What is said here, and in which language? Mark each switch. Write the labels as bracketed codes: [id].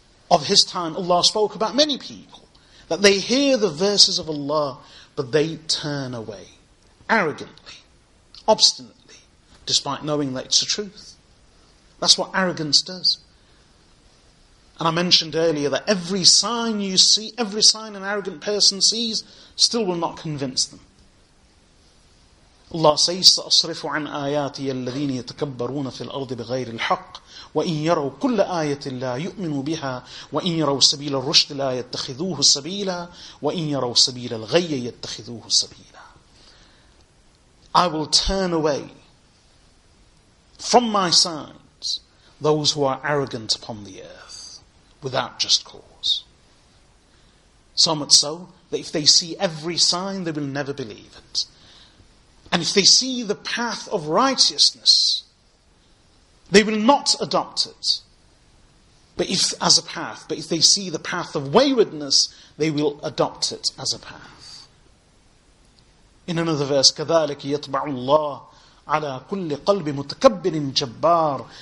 [en] Of his time, Allah spoke about many people, that they hear the verses of Allah, but they turn away, arrogantly, obstinately, despite knowing that it's the truth. That's what arrogance does. And I mentioned earlier that every sign you see, every sign an arrogant person sees, still will not convince them. Allah says, [ar] سَأَصْرِفُ عَنْ آيَاتِيَ الَّذِينِ يَتَكَبَّرُونَ فِي الْأَرْضِ بِغَيْرِ الْحَقِّ وَإِنْ يَرَوْا كُلَّ آيَةٍ لَا يُؤْمِنُوا بِهَا وَإِنْ يَرَوْا سَبِيلَ الرُّشْدِ لَا يَتَّخِذُوهُ سَبِيلًا وَإِنْ يَرَوْا سَبِيلَ الْغَيِّ يَتَّخِذُوهُ سَبِيلًا. [en] I will turn away from my signs those who are arrogant upon the earth without just cause. So much so that if they see every sign, they will never believe it. And if they see the path of righteousness, they will not adopt it. But if they see the path of waywardness, they will adopt it as a path. In another verse, [ar] كَذَلِكَ يَطْبَعُ اللَّهُ عَلَىٰ كُلِّ قَلْبِ مُتَكَبِّرٍ جَبَّارٍ.